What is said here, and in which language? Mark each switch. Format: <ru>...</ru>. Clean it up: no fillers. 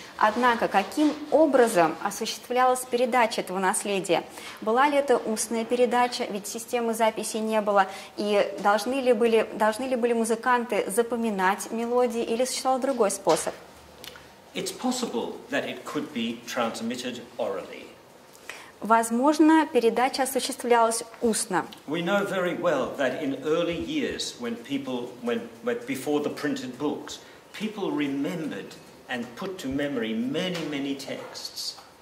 <ru>Однако, каким образом осуществлялась передача этого наследия? Была ли это устная передача, ведь системы записи не было, и должны ли были музыканты запоминать мелодии, или существовал другой способ?</ru> <en>It's possible that it could be transmitted orally.</en> <ru>Возможно, передача осуществлялась устно.</ru> <en>We know very well that in early years, when before the printed books, people remembered and put to memory many, many texts.</en>